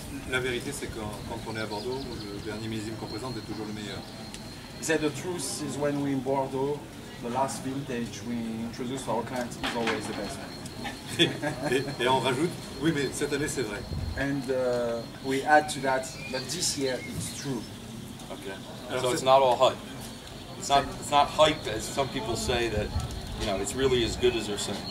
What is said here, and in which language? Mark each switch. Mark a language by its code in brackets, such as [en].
[fr] La vérité, c'est que quand on est à Bordeaux, le dernier millésime qu'on présente est toujours le meilleur. [en] He said the truth is when we're in Bordeaux, the last vintage we introduce to our clients is always the best. [fr] et on rajoute, oui, mais cette année, c'est vrai. [en] And we add to that, but this year, it's true. Okay. Alors, so it's not all hype. It's not hype, as some people say, that, you know, it's really as good as they're saying.